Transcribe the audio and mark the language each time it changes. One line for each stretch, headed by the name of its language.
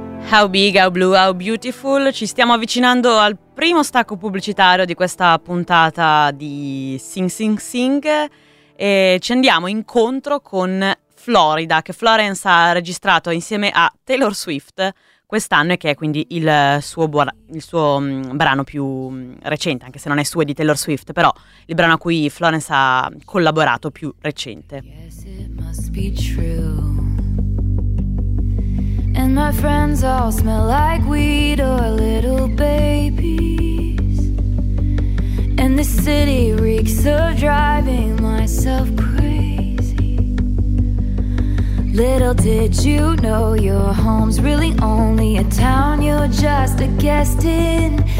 English: How Big, How Blue, How Beautiful.
Italian: Ci stiamo avvicinando al primo stacco pubblicitario di questa puntata di Sing Sing Sing e ci andiamo incontro con Florida, che Florence ha registrato insieme a Taylor Swift quest'anno e che è quindi il suo brano più recente, anche se non è suo, è di Taylor Swift, però il brano a cui Florence ha collaborato più recente.
English: Yes, it must be true. And my friends all smell like weed or little babies. And the city reeks of driving myself crazy. Little did you know your home's really only a town you're just a guest in.